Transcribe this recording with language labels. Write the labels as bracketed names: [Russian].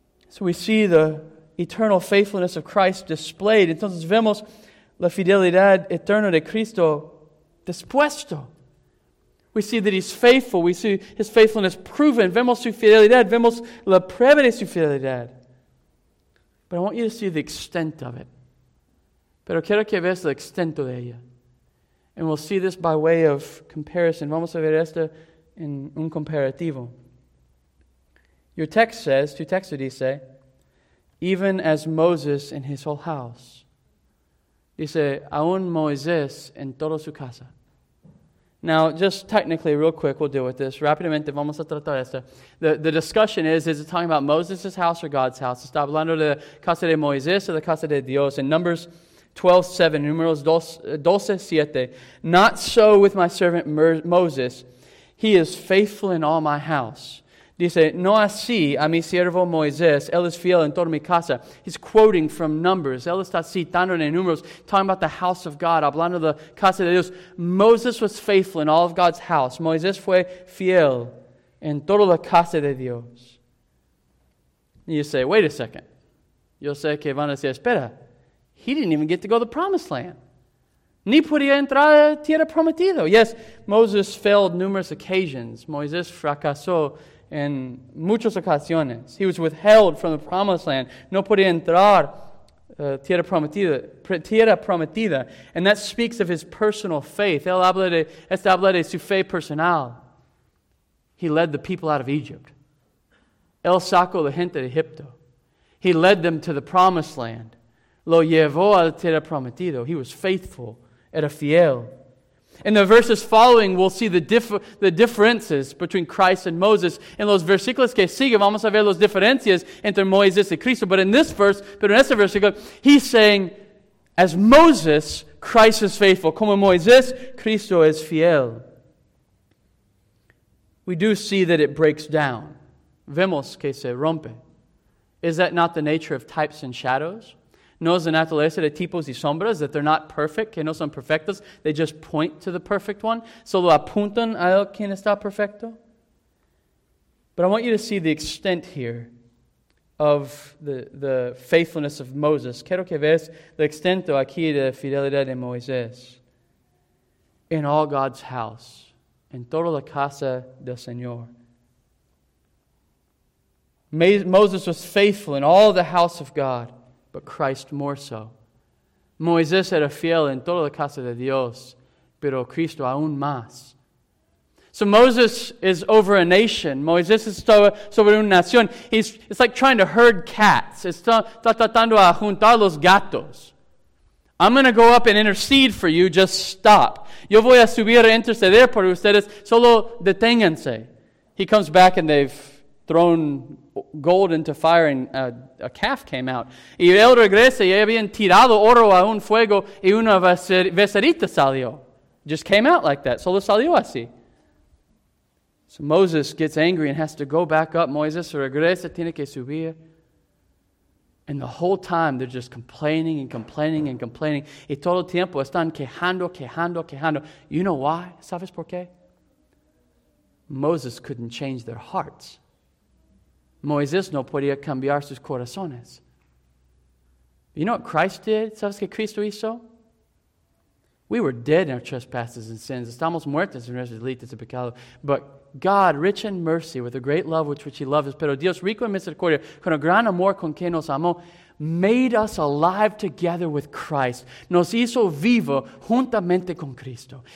[English] So we see the eternal faithfulness of Christ displayed. [Spanish] Entonces vemos la fidelidad eterna de Cristo dispuesto. [English] We see that he's faithful. We see his faithfulness proven. [Spanish] Vemos su fidelidad. Vemos la prueba de su fidelidad. [English] But I want you to see the extent of it. [Spanish] Pero quiero que veas el extento de ella. [English] And we'll see this by way of comparison. [Spanish] Vamos a ver esto en un comparativo. [English] Your text says, [Spanish] tu texto dice, [English] even as Moses in his whole house. [Spanish] Dice, aún Moisés en toda su casa. [English] Now, just technically, real quick, we'll deal with this. [Spanish] Rápidamente, vamos a tratar esto. [English] The discussion is it talking about Moses' house or God's house? [Spanish] Está hablando de casa de Moisés o de casa de Dios? [English] In Numbers 12:7, [Spanish] Números 12:7, [English] not so with my servant Moses. He is faithful in all my house. [Spanish] Dice, no así a mi siervo Moisés, él es fiel en toda mi casa. [English] He's quoting from Numbers. [Spanish] Él está citando en Números, [English] talking about the house of God, [Spanish] hablando de la casa de Dios. [English] Moses was faithful in all of God's house. [Spanish] Moisés fue fiel en toda la casa de Dios. [English] And you say, wait a second. [Spanish] Yo sé que van a decir, espera, [English] he didn't even get to go to the promised land. [Spanish] Ni podía entrar a tierra prometida. [English] Yes, Moses failed numerous occasions. [Spanish] Moisés fracasó en muchas ocasiones. [English] He was withheld from the promised land. [Spanish] No podía entrar tierra prometida. [English] And that speaks of his personal faith. [Spanish] Él habla de, esto habla de su fe personal. [English] He led the people out of Egypt. [Spanish] Él sacó la gente de Egipto. [English] He led them to the promised land. [Spanish] Lo llevó a la tierra prometida. [English] He was faithful. [Spanish] Era fiel. [English] In the verses following, we'll see the differences between Christ and Moses. [Spanish] En los versículos que siguen, vamos a ver las diferencias entre Moisés y Cristo. [English] But in this verse, [Spanish] pero en este versículo, [English] he's saying, as Moses, Christ is faithful. [Spanish] Como Moisés, Cristo es fiel. [English] We do see that it breaks down. [Spanish] Vemos que se rompe. [English] Is that not the nature of types and shadows? [Spanish] No es la naturaleza de tipos y sombras, [English] that they're not perfect, [Spanish] que no son perfectos. [English] They just point to the perfect one. [Spanish] Solo apuntan a él quien está perfecto. [English] But I want you to see the extent here of the faithfulness of Moses. [Spanish] Quiero que veas el extento aquí de fidelidad de Moisés. [English] In all God's house, [Spanish] en toda la casa del Señor. [English] Moses was faithful in all the house of God, but Christ more so. [Spanish] Moisés era fiel en toda la casa de Dios, pero Cristo aún más. [English] So Moses is over a nation. [Spanish] Moisés es sobre una nación. [English] It's like trying to herd cats. [Spanish] Está tratando a juntar los gatos. [English] I'm going to go up and intercede for you. Just stop. [Spanish] Yo voy a subir a interceder por ustedes. Solo deténganse. [English] He comes back and they've thrown gold into fire and a calf came out. [Spanish] Y él regresa y habían tirado oro a un fuego y una becerita salió. [English] Just came out like that. [Spanish] Solo salió así. [English] So Moses gets angry and has to go back up. [Spanish] Moisés regresa, tiene que subir. [English] And the whole time they're just complaining and complaining and complaining. [Spanish] Y todo el tiempo están quejando, quejando, quejando. [English] You know why? [Spanish] ¿Sabes por qué? [English] Moses couldn't change their hearts. [Spanish] Moisés no podía cambiar sus corazones. [English] You know what Christ did? [Spanish] ¿Sabes qué Cristo hizo? [English] We were dead in our trespasses and sins. [Spanish] Estamos muertos en nuestros delitos y pecados. [English] But God, rich in mercy, with a great love which He loves us, [Spanish] pero Dios rico en misericordia, con el gran amor con que nos amó, [English] made us alive together with Christ. [Spanish] Nos hizo vivo juntamente con Cristo.